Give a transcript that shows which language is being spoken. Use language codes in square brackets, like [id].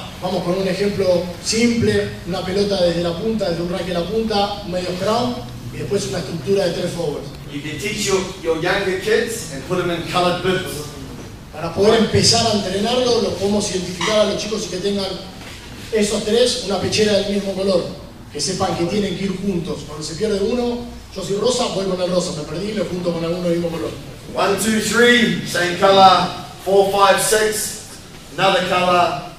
[es] Vamos con un ejemplo simple: una pelota desde la punta, desde un rack de la punta, medio crown, y después una estructura de 3 forwards. [en] You can teach your younger kids and put them in colored boots. [es] Para poder empezar a entrenarlo, lo podemos identificar a los chicos que tengan esos tres una pechera del mismo color. Que sepan que tienen que ir juntos. Cuando se pierde uno, yo soy rosa, voy con el rosa. Me perdí, lo junto con alguno del mismo color. [en] 1, 2, 3, same color. 4, 5, 6, another color.